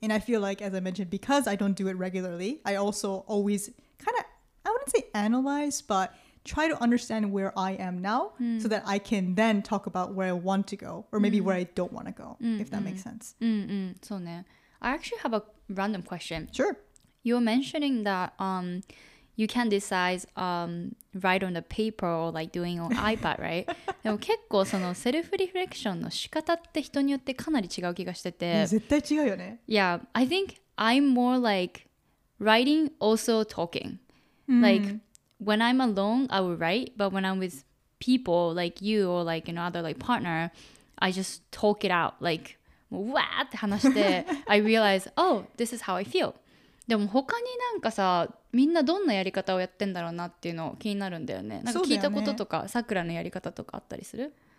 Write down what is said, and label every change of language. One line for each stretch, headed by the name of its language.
English: And I feel like, as I mentioned, because I don't do it regularly, I also always kind of, I wouldn't say analyze, but try to understand where I am now so that I can then talk about where I want to go or maybe where I don't want to go, if that makes sense. So, I actually have a random question. Sure. You're mentioning that you can decide write on the paper or like doing on iPad, right?
Japanese: でも結構そのセルフリフレクションの仕方って人によってかなり違う気がしてて。絶対違うよね。
English: Yeah, I think I'm more like writing also talking. Like when I'm alone, I will write, but when I'm with people like you or like another like partner, I just talk it out. Like,
Japanese: わーって話して、
English: I realize, oh, this is how I feel.
Japanese: でも他になんかさ、みんなどんなやり方をやってんだろうなっていうのを気になるんだよね。なんか聞いたこととか、さくらのやり方とかあったりする？